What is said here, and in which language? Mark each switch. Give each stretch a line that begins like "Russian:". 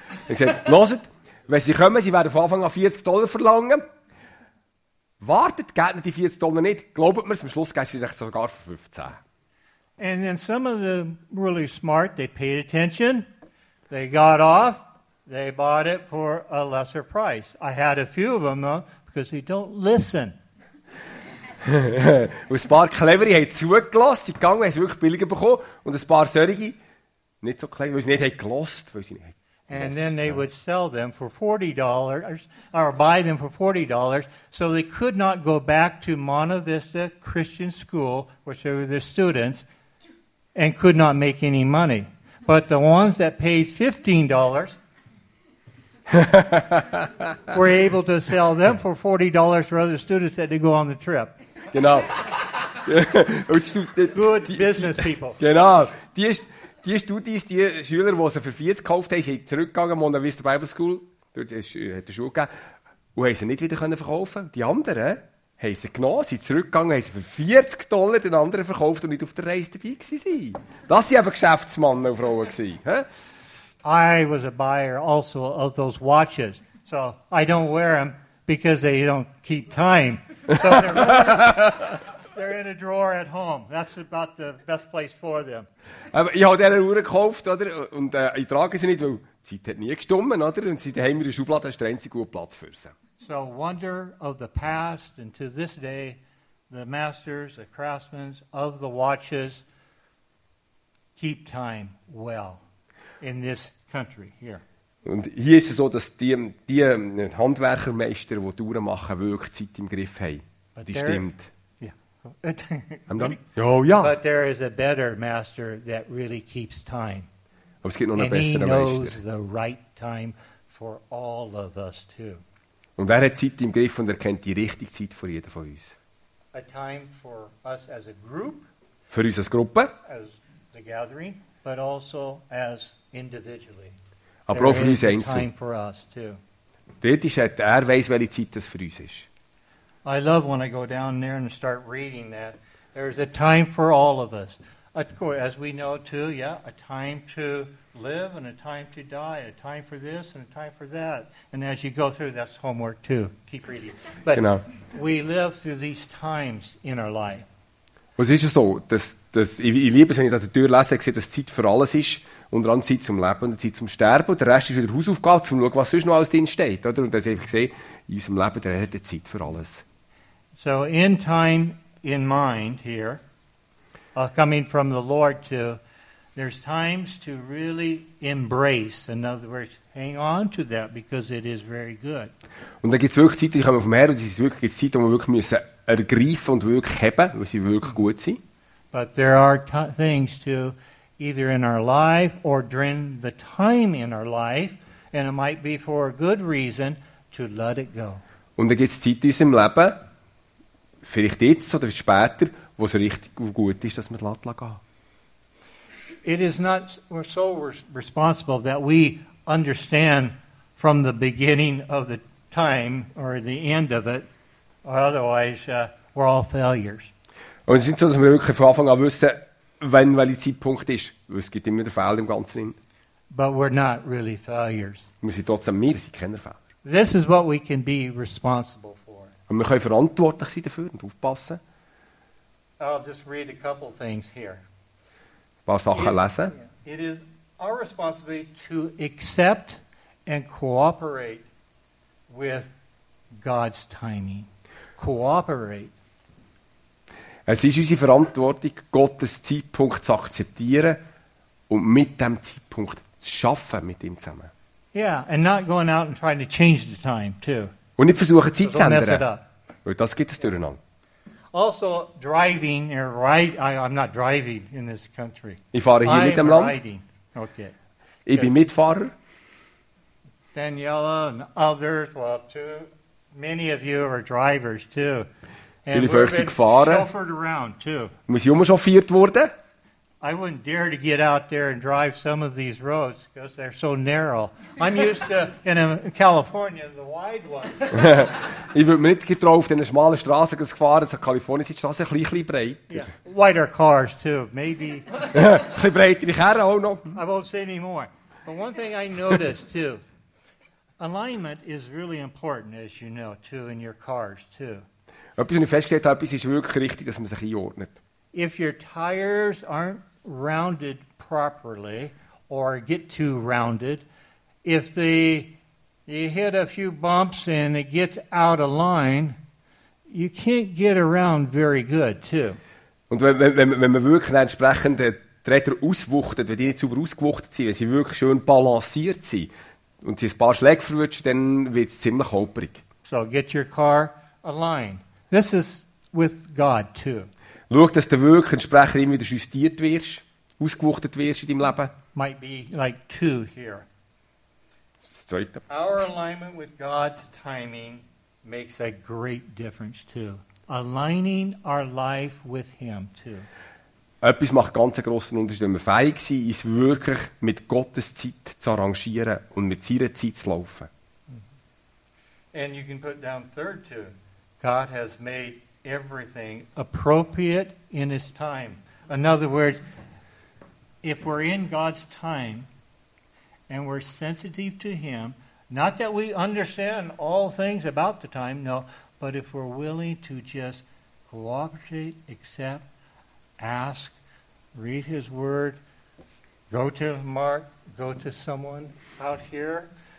German: Ich sagte, loset, wenn sie kommen, sie werden von Anfang an $40 verlangen. Wartet, geht nicht die $40 nicht. Glaubt mir, am Schluss geht sie sich sogar für 15.
English: And then some of the really smart, they paid attention. They got off. They bought it for a lesser price. I had a few of them, though, because they don't listen.
German: Und ein paar Clevere haben zugelassen, sie gegangen, haben es wirklich billiger bekommen. Und ein paar solche, nicht so clever, weil sie nicht haben gelost, weil sie nicht haben.
English: And then they would sell them for $40, or buy them for $40, so they could not go back to Monta Vista Christian School, which were their students, and could not make any money. But the ones that paid $15 were able to sell them for $40 for other students that did go on the trip.
German: Genau.
English: Good business people.
German: Genau. Die Studis, die Schüler, die sie für 40 gekauft haben, sind zurückgegangen, Monta Vista Bible School, dort hat die Schule gegeben, und haben sie nicht wieder verkaufen können. Die anderen haben sie genommen, sind zurückgegangen, haben sie für $40 den anderen verkauft und nicht auf der Reise dabei gewesen. Das waren aber Geschäftsmann und Frauen gewesen.
English: I was a buyer also of those watches. So I don't wear them, because they don't keep time. They're in a drawer at home. That's about the best place for them.
German: Ich habe denen Uhren gekauft, oder? Und ich trage sie nicht, weil die Zeit hat nie gestummen, oder? Und sie haben mir eine Schublade, da ist der einzige gute Platz für sie.
English: So, wonder of the past and to this day, the masters, the craftsmen of the watches keep time well in this country here.
German: Und hier ist es so, dass die Handwerkermeister, die die Uhren machen, wirklich Zeit im Griff haben.
English: But
German: die stimmt.
English: But there is a better master that really keeps time.
German: Aber es gibt noch
English: and
German: einen besseren
English: he knows
German: Meister.
English: The right time for all of us too.
German: Und er hat Zeit im Griff und er kennt die richtige Zeit für jeden von uns.
English: A time for us as a group.
German: Für uns als Gruppe.
English: As the gathering, but also as individually.
German: Aber auch für uns einzeln.
English: There is a time for us too.
German: Dort ist er weiß, welche Zeit das für uns ist.
English: I love when I go down there and start reading that. There's a time for all of us. Of course, as we know too, yeah, a time to live and a time to die, a time for this and a time for that. And as you go through, that's homework too. Keep reading. But
German: genau.
English: We live through these times in our life.
German: Was ist es so, dass ich liebe es, wenn ich an der Tür lese, ich sehe, dass Zeit für alles ist. Unter anderem Zeit zum Leben und Zeit zum Sterben. Und der Rest ist wieder Hausaufgabe, zum Schauen, was sonst noch alles drin steht. Oder? Und dann habe ich gesehen, in unserem Leben, der hat Zeit für alles.
English: So in time in mind here, coming from the Lord too, there's times to really embrace. In other words, hang on to that, because it is very good.
German: Und dann gibt es wirklich Zeit, die kommen vom Herrn, und es gibt Zeit, die wir wirklich müssen ergreifen und wirklich haben, weil sie wirklich gut sind.
English: But there are things to either in our life or during the time in our life, and it might be for a good reason, to let it go.
German: Und dann gibt es Zeit in unserem Leben, vielleicht jetzt oder später, wo es richtig gut ist, dass wir es lassen gehen.
English: it is not so responsible that we understand from the beginning of the time or the end of it, or otherwise we're all failures.
German: Und es ist so, dass wir wirklich von Anfang an wissen, wann welcher Zeitpunkt ist. Weil es gibt immer den Fehler im Ganzen.
English: But we're not really failures.
German: Wir sind trotzdem wir, sind keine Fehler.
English: This is what we can be responsible for.
German: Und wir können verantwortlich sein dafür und aufpassen.
English: I'll just read a couple things here.
German: Ein paar Sachen lesen.
English: It is our responsibility to accept and cooperate with God's timing. Cooperate.
German: Es ist unsere Verantwortung, Gottes Zeitpunkt zu akzeptieren und mit dem Zeitpunkt zu schaffen mit ihm zusammen.
English: Yeah, and not going out and trying to change the time too.
German: Und nicht versuchen, Zeit zu ändern. Weil das gibt es durcheinander.
English: Also driving or riding. I'm not driving in this country.
German: Ich fahre hier nicht im Land.
English: Riding. Okay.
German: Ich bin Mitfahrer.
English: Daniela and others, well, too. Many of you are drivers too.
German: Viele von euch sind gefahren. Wir sind umschauffiert worden.
English: I wouldn't dare to get out there and drive some of these roads because they're so narrow. I'm used to in California the wide ones.
German: Ich würde mir nicht getrauen, auf den schmalen Straßen zu fahren. In Kalifornien sind die Straßen ein bisschen breiter.
English: Yeah. Wider cars too, maybe.
German: Ein bisschen breiter, ich habe auch noch.
English: I won't say any more. But one thing I noticed too, alignment is really important, as you know, too, in your cars too.
German: Etwas, was ich festgestellt habe, ist wirklich richtig, dass man sich einordnet.
English: If your tires aren't rounded properly or get too rounded, if you hit a few bumps and it gets out of line, you can't get around very good too.
German: Und wenn man wirklich entsprechende Räder auswuchtet, wenn die nicht sauber ausgewuchtet sind, wenn sie wirklich schön balanciert sind und sie ein paar Schläge verwutschen, dann wird es ziemlich holprig.
English: So get your car aligned. This is with God too.
German: Schau, dass du wirklich entsprechend immer wieder justiert wirst, ausgewuchtet wirst in deinem Leben.
English: Might be like two here.
German: Das zweite.
English: Our alignment with God's timing makes a great difference too. Aligning our life with Him too.
German: Etwas macht ganz einen grossen Unterschied, wenn wir fähig sind, uns wirklich mit Gottes Zeit zu arrangieren und mit seiner Zeit zu laufen.
English: And you can put down third too. God has made everything appropriate in His time. In other words, if we're in God's time and we're sensitive to Him, not that we understand all things about the time, no, but if we're willing to just cooperate, accept, ask, read His Word, go to Mark, go to someone out here.